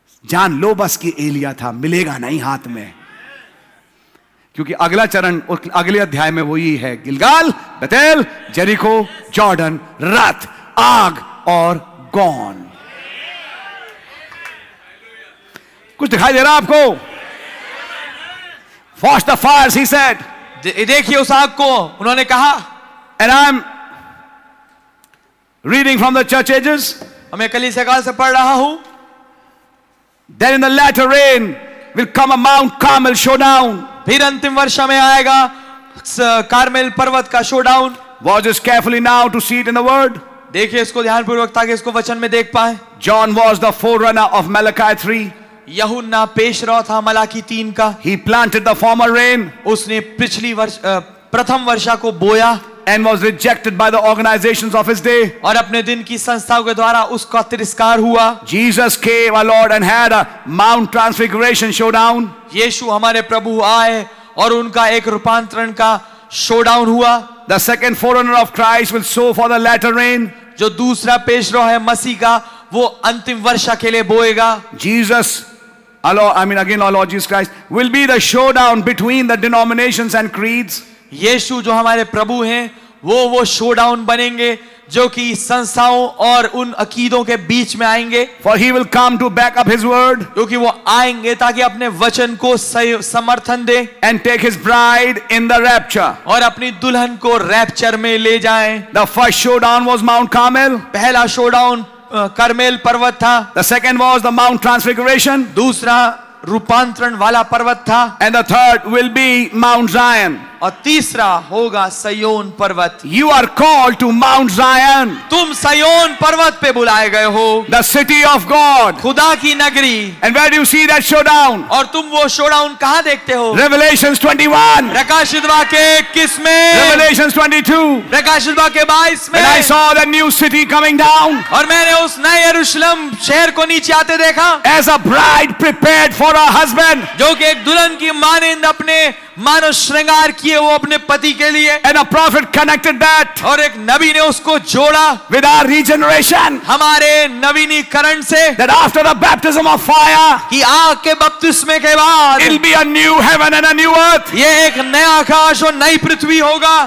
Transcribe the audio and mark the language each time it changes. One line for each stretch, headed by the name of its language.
Hindi: जान लो बस कि एलिया था, मिलेगा नहीं हाथ में. क्योंकि अगला चरण अगले अध्याय में वही है, गिलगाल, बेतेल, जेरिको, जॉर्डन, रथ, आग और गॉन. कुछ दिखाई दे रहा आपको?
English: Watch the fires, he said.
Hindi: देखिए उस आग को उन्होंने कहा.
English: And I'm reading from the church ages.
Hindi: मैं कलीसिया काल से पढ़ रहा हूं.
English: Then in the latter rain will come a Mount Carmel showdown.
Hindi: फिर अंतिम वर्षा में आएगा कार्मेल पर्वत का showdown.
English: Watch this carefully now to see it in the word.
Hindi: देखिए इसको ध्यानपूर्वक ताकि इसको वचन में देख पाए.
English: John was the forerunner of Malachi 3.
Hindi: यहुन्ना पेशरौ था मलाकी 3 का.
English: He planted the former rain.
Hindi: उसने पिछली वर्ष प्रथम वर्षा को बोया.
English: And was rejected by the organizations of his day.
Hindi: और अपने दिन की संस्थाओं के द्वारा उसका तिरस्कार हुआ.
English: Jesus came, our Lord, and had a Mount Transfiguration showdown.
Hindi: यीशु हमारे प्रभु आए और उनका एक रूपांतरण का शोडाउन हुआ.
English: The second forerunner of Christ will sow for the latter rain.
Hindi: जो दूसरा पेशरौ है मसीह का, वो अंतिम वर्षा के लिए बोएगा.
English: Jesus, our Lord Jesus Christ, will be the showdown between the denominations and creeds.
Hindi: यीशु जो हमारे प्रभु हैं वो शो डाउन बनेंगे जो कि संस्थाओं और उन अकीदों के बीच में आएंगे.
English: For he will come to back up his word,
Hindi: क्योंकि वो आएंगे ताकि अपने वचन को समर्थन दे.
English: And take his bride in the rapture,
Hindi: और अपनी दुल्हन को रैप्चर में ले जाएं.
English: The first showdown was Mount Carmel,
Hindi: पहला शोडाउन कर्मेल पर्वत था.
English: The second was the Mount Transfiguration,
Hindi: दूसरा रूपांतरण वाला पर्वत था.
English: And the third will be Mount Zion.
Hindi: और तीसरा होगा सयोन पर्वत.
English: You are called to Mount Zion.
Hindi: तुम सयोन पर्वत पे बुलाए गए हो.
English: The city of God.
Hindi: खुदा की नगरी.
English: And where do you see that showdown?
Hindi: और तुम वो शोडाउन कहाँ देखते हो?
English: Revelations 21.
Hindi: प्रकाशित वाक्य 21 में.
English: Revelations 22.
Hindi: प्रकाशित वाक्य 22 में.
English: And I saw the new city coming down.
Hindi: और मैंने उस नए यरूशलम शहर को नीचे आते देखा.
English: As a bride prepared for her husband.
Hindi: जो कि एक दुल्हन की मानिंद अपने मानो श्रृंगार किए वो अपने पति के लिए.
English: And a prophet connected that,
Hindi: और एक नबी ने उसको जोड़ा.
English: With our regeneration,
Hindi: हमारे नवीनीकरण से.
English: That after the baptism of fire,
Hindi: कि आग के बपतिस्मे के बाद.
English: It'll be a new heaven and a new earth,
Hindi: ये एक नया आकाश और नई पृथ्वी होगा.